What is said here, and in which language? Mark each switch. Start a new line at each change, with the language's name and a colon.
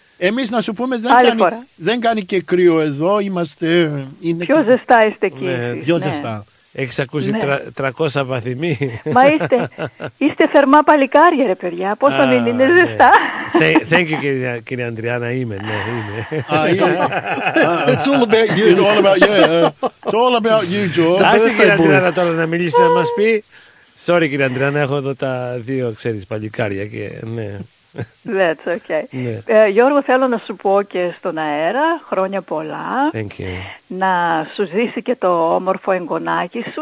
Greek: Εμείς να σου πούμε, δεν κάνει και κρύο εδώ, είμαστε... Πιο ζεστά είστε εκεί. Πιο ζεστά. Έχεις ακούσει ναι. 300 βαθμοί. Μα είστε θερμά παλικάρια, ρε παιδιά. Πόσο δεν είναι, ναι. ζεστά.
English: Thank you, κύριε Αντριάννα.
Greek: Είμαι, ναι, είμαι.
English: It's all about you. It's all about you, it's all about you, George.
Greek: Άστε, κύριε Αντριάννα, τώρα να μιλήσετε να μας πει. Sorry, κύριε Αντριάννα, έχω εδώ τα δύο, ξέρεις, παλικάρια και, ναι.
English: That's okay. Yeah.
Greek: Γιώργο, θέλω να σου πω και στον αέρα χρόνια πολλά.
English: Thank you.
Greek: Να σου ζήσει και το όμορφο εγγονάκι σου,